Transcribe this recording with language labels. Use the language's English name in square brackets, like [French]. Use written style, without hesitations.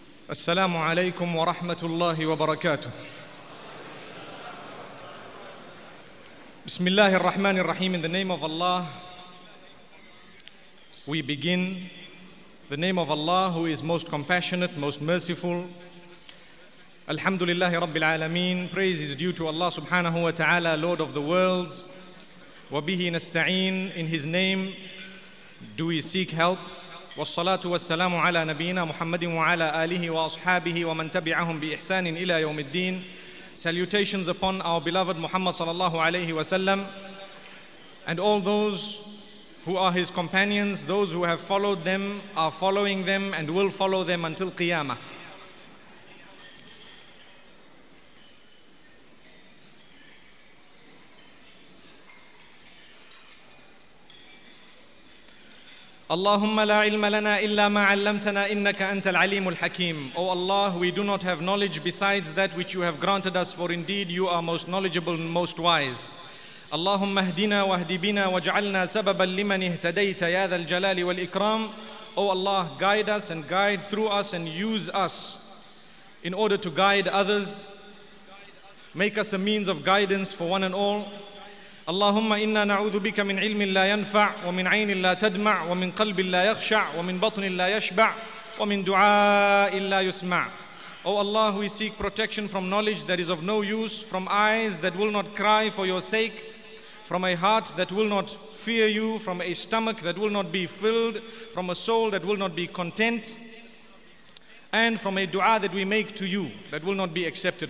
[Arabic] السلام عليكم ورحمة الله وبركاته. بسم الله الرحمن الرحيم. [English] In the name of Allah, we begin. The name of Allah, who is most compassionate, most merciful. [Arabic] الحمد لله رب العالمين. [English] Praise is due to Allah [Arabic] سبحانه وتعالى, [English] Lord of the worlds. [Arabic] وبه نستعين. [English] In His name, do we seek help. [Arabic] والصلاة والسلام على نبينا محمد وعلى آله وأصحابه ومن تبعهم بإحسان إلى يوم الدين. [English] Salutations upon our beloved Muhammad [Arabic] صلى الله عليه وسلم [English] and all those who are his companions, those who have followed them, are following them and will follow them until قيامة. [Arabic] اللهم لا علم لنا إلا ما علمتنا إنك أنت العليم الحكيم. [English] O Allah, we do not have knowledge besides that which you have granted us, for indeed you are most knowledgeable and most wise. [Arabic] اللهم اهدنا واهدي بنا واجعلنا سببا لمن اهتديت يا ذا الجلال والإكرام. [English] O Allah, guide us and guide through us and use us in order to guide others. Make us a means of guidance for one and all. [Arabic] اللهم إنا نعوذ بك من علم لا ينفع ومن عين لا تدمع ومن قلب لا يخشع ومن بطن لا يشبع ومن دعاء لا يسمع. [English] O Allah, we seek protection from knowledge that is of no use, from eyes that will not cry for your sake, from a heart that will not fear you, from a stomach that will not be filled, from a soul that will not be content, and from a dua that we make to you that will not be accepted.